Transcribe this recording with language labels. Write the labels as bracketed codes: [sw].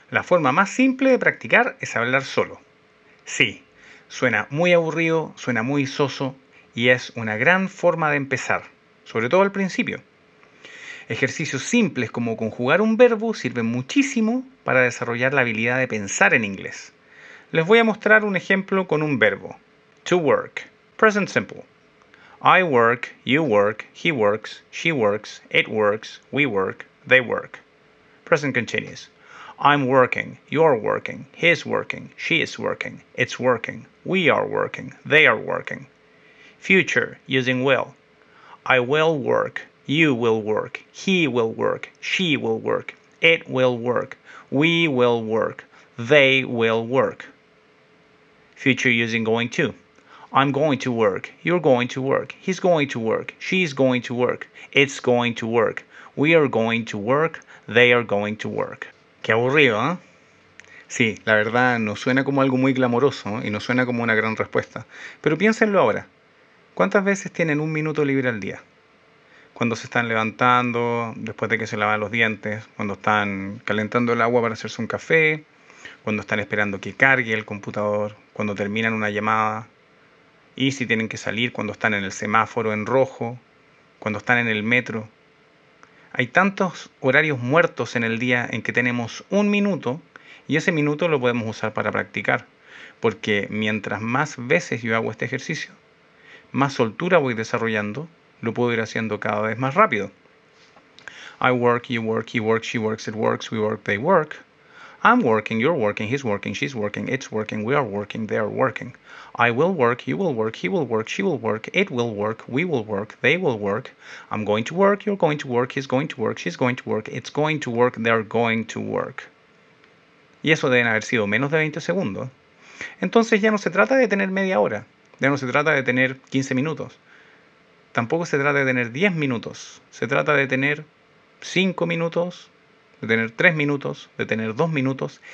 [es] La forma más simple de practicar es hablar solo. Sí, suena muy aburrido, suena muy soso y es una gran forma de empezar, sobre todo al principio. Ejercicios simples como conjugar un verbo sirven muchísimo para desarrollar la habilidad de pensar en inglés. Les voy a mostrar un ejemplo con un verbo. [en] To work. Present simple. I work, you work, he works, she works, it works, we work, they work. Present continuous. I'm working, you're working, he's working, she is working, it's working, we are working, they are working. Future, using will. I will work, you will work, he will work, she will work, it will work, we will work, they will work. Future, using going to. I'm going to work, you're going to work, he's going to work, she's going to work, it's going to work, we are going to work, they are going to work. [es] Qué aburrido, ¿eh? Sí, la verdad no suena como algo muy glamoroso y no suena como una gran respuesta. Pero piénsenlo ahora. ¿Cuántas veces tienen un minuto libre al día? Cuando se están levantando, después de que se lavan los dientes, cuando están calentando el agua para hacerse un café, cuando están esperando que cargue el computador, cuando terminan una llamada, y si tienen que salir cuando están en el semáforo en rojo, cuando están en el metro. Hay tantos horarios muertos en el día en que tenemos un minuto, y ese minuto lo podemos usar para practicar, porque mientras más veces yo hago este ejercicio, más soltura voy desarrollando, lo puedo ir haciendo cada vez más rápido. [en] I work, you work, he works, she works, it works, we work, they work. I'm working, you're working, he's working, she's working, it's working, we are working, they are working. I will work, you will work, he will work, she will work, it will work, we will work, they will work. I'm going to work, you're going to work, he's going to work, she's going to work, it's going to work, they're going to work. [es] Y eso deben haber sido menos de 20 segundos. Entonces ya no se trata de tener media hora. Ya no se trata de tener 15 minutos. Tampoco se trata de tener 10 minutos. Se trata de tener 5 minutos, de tener 3 minutos, de tener 2 minutos.